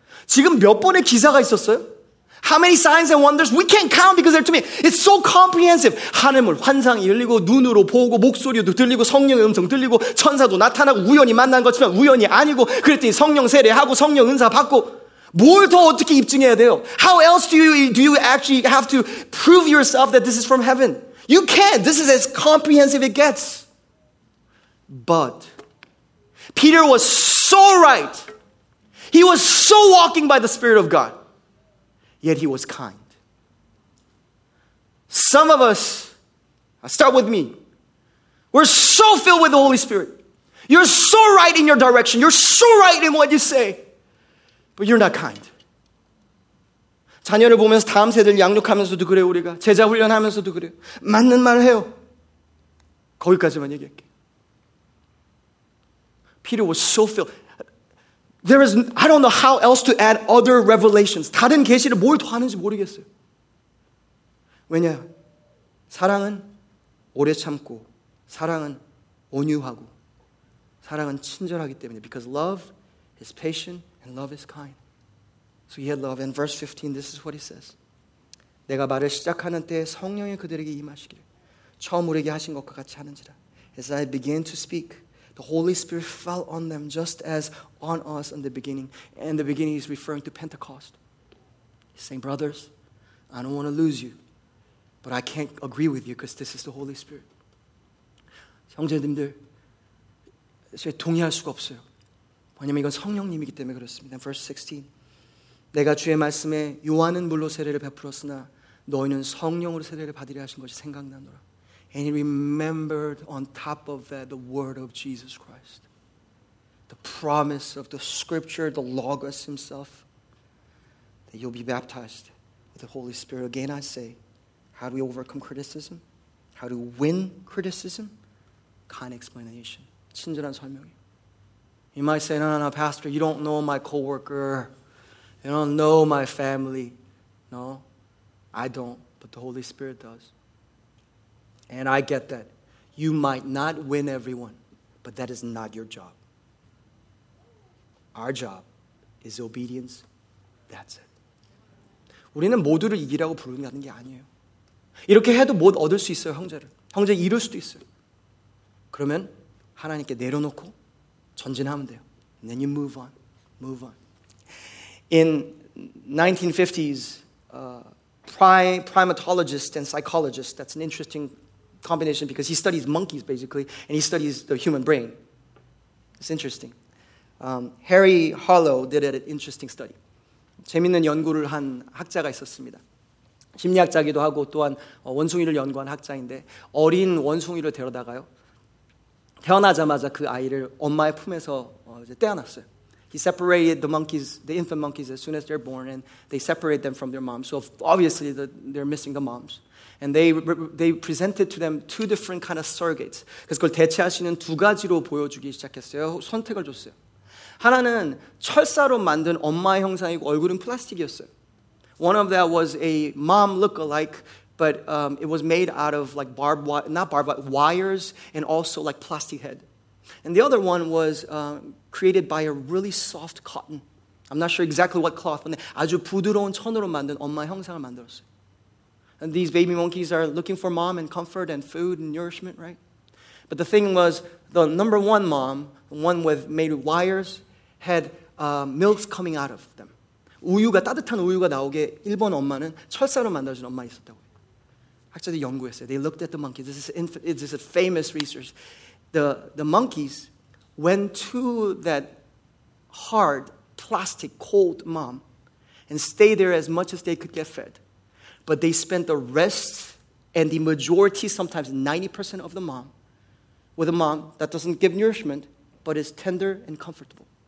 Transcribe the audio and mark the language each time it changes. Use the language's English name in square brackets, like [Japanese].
[Korean] 지금 몇 번의 기사가 있었어요? [English] How many signs and wonders? We can't count because they're too many. It's so comprehensive. [Korean] 하늘문 환상이 열리고 눈으로 보고 목소리도 들리고 성령의 음성 들리고 천사도 나타나고 우연히 만난 것처럼 우연이 아니고 그랬더니 성령 세례하고 성령 은사 받고 뭘 더 어떻게 입증해야 돼요? [English] How else do you actually have to prove yourself that this is from heaven? You can't. This is as comprehensive it gets. But Peter was so right. He was so walking by the Spirit of God. Yet he was kind. Some of us, start with me, we're so filled with the Holy Spirit. You're so right in your direction. You're so right in what you say. But you're not kind. [Korean] 자녀를 보면서 다음 세대를 양육하면서도 그래요 우리가 제자 훈련하면서도 그래요 맞는 말을 해요 거기까지만 얘기할게 [English] Peter was so filled There is I don't know how else to add other revelations [Korean] 다른 계시를 뭘 더 하는지 모르겠어요 왜냐 사랑은 오래 참고 사랑은 온유하고 사랑은 친절하기 때문에 [English] Because love is patient and love is kind [Korean] So he had love. [English] And verse 15, this is what he says. [Korean] 내가 말을 시작하는 때 성령이 그들에게 임하시기를 처음 우리에게 하신 것과 같이 하는지라. [English] As I began to speak, The Holy Spirit fell on them just as on us in the beginning. And the beginning is referring to Pentecost. He's saying, brothers, I don't want to lose you, but I can't agree with you because this is the Holy Spirit. [Korean] 형제님들, 제가 동의할 수가 없어요. 왜냐면 이건 성령님이기 때문에 그렇습니다. [English] Verse 16. [Korean] 내가 주의 말씀에 요한은 물로 세례를 베풀었으나 너희는 성령으로 세례를 받으려 하신 것이 생각나노라. [English] And he remembered on top of that the word of Jesus Christ. The promise of the scripture, the Logos himself. That you'll be baptized with the Holy Spirit. Again I say, how do we overcome criticism? How do we win criticism? Kind explanation. [Korean] 친절한 설명이에요. [English] You might say, no, pastor, you don't know my coworker. You don't know my family. No, I don't, but the Holy Spirit does. And I get that. You might not win everyone, but that is not your job. Our job is obedience. That's it. [Korean] 우리는 모두를 이기라고 부르는 게 아니에요. 이렇게 해도 못 얻을 수 있어요, 형제를. 형제 이룰 수도 있어요. 그러면 하나님께 내려놓고 전진하면 돼요. [English] And then you move on. Move on. In 1950s, primatologist and psychologist, that's an interesting combination because he studies monkeys, basically, and he studies the human brain. It's interesting. Harry Harlow did an interesting study. [Korean] 재밌는 연구를 한 학자가 있었습니다. 심리학자기도 하고 또한 원숭이를 연구한 학자인데 어린 원숭이를 데려다가요. 태어나자마자 그 아이를 엄마의 품에서 이제 떼어놨어요. [English] He separated the monkeys, the infant monkeys, as soon as they're born, and they separate them from their moms. So obviously, they're missing the moms. And they presented to them two different kind of surrogates. [Korean] 그래서 그걸 대체하시는 두 가지로 보여주기 시작했어요. 선택을 줬어요. 하나는 철사로 만든 엄마의 형상이고 얼굴은 플라스틱이었어요. [English] One of that was a mom look-alike, but it was made out of like wires, and also like plastic head. And the other one was created by a really soft cotton. I'm not sure exactly what cloth, but [Korean] 아주 부드러운 천으로 만든 엄마 형상을 만들었어요. [English] And these baby monkeys are looking for mom and comfort and food and nourishment, right? But the thing was, the number one mom, the one with made wires, had milks coming out of them. [Korean] 우유가 따뜻한 우유가 나오게 1번 엄마는 철사로 만들어진 엄마 있었다고. 학자들이 연구했어요. [English] They looked at the monkeys. This is a famous research. The monkeys went to that hard, plastic, cold mom and stayed there as much as they could get fed. But they spent the rest and the majority, sometimes 90% of the mom, with a mom that doesn't give nourishment but is tender and comfortable.